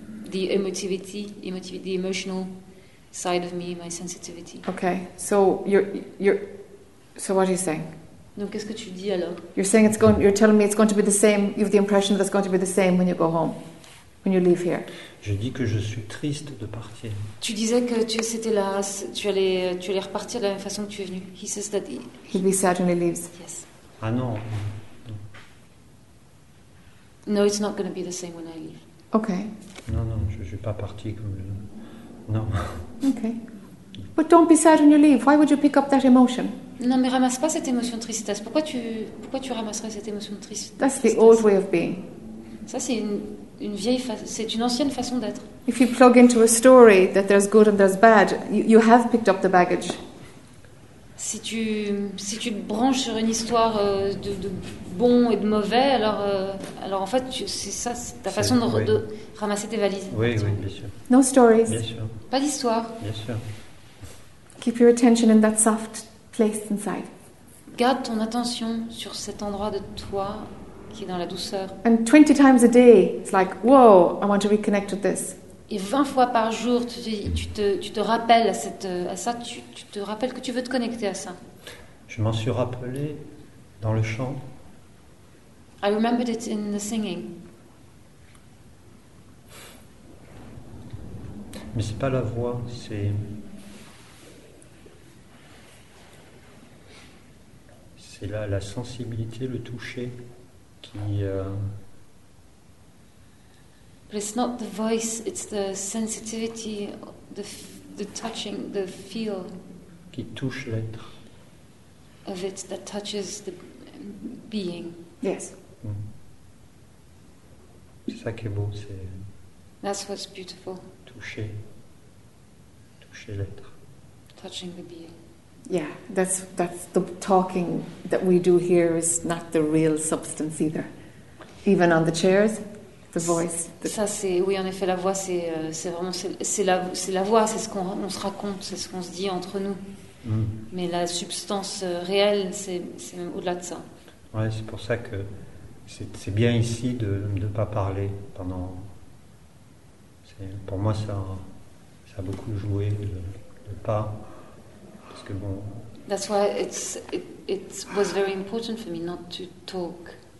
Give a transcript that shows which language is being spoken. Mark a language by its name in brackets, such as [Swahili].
[English] The emotivity, the emotional side of me, my sensitivity. Okay, so what are you saying? [French] Donc qu'est-ce que tu dis alors? [English] You're telling me it's going to be the same, you have the impression that it's going to be the same when you go home. When you leave here. [French] Je dis que je suis triste de partir. Tu disais que tu allais repartir de la même façon que tu es venu. [English] He says that he'll be sad when he leaves. Yes. [French] Ah non. [English] No, it's not going to be the same when I leave. Okay. [French] Non, je suis pas parti comme je... Non. [English] Okay. But don't be sad when you leave. Why would you pick up that emotion? [French] Non, mais ramasse pas cette émotion de tristesse. Pourquoi tu ramasserais cette émotion de tristesse? [English] That's the old way of being. [French] Ça c'est une vieille c'est une ancienne façon d'être. [English] If you plug into a story that there's good and there's bad, you have picked up the baggage. [French] Si tu te branches sur une histoire de bon et de mauvais, alors en fait c'est ta façon de ramasser tes valises. Oui, bien sûr. [English] No stories. [French] Bien sûr. Pas d'histoire. Bien sûr. [English] Keep your attention in that soft place inside. [French] Garde ton attention sur cet endroit de toi. Qui est dans la douceur. [English] And 20 times a day, it's like, whoa, I want to reconnect with this. [French] Et 20 fois par jour, tu te rappelles à ça, tu te rappelles que tu veux te connecter à ça. Je m'en suis rappelé dans le chant. [English] I remembered it in the singing. [French] Mais c'est pas la voix, c'est... C'est la sensibilité, le toucher... [English] But it's not the voice, it's the sensitivity, the touching, the feel [French] qui touche l'être. [English] Of it that touches the being. Yes. [French] C'est ça qui est beau, c'est [English] that's what's beautiful. [French] Toucher l'être. [English] Touching the being. Yeah, that's the talking that we do here is not the real substance either. Even on the chairs, the voice. [French] Ça c'est oui en effet la voix c'est vraiment la voix c'est ce qu'on se raconte c'est ce qu'on se dit entre nous. Mais la substance réelle c'est même au-delà de ça. Ouais c'est pour ça que c'est bien ici de ne pas parler pendant. C'est, pour moi ça a beaucoup joué de pas parce que bon. [English] That's why it was very important for me not to talk.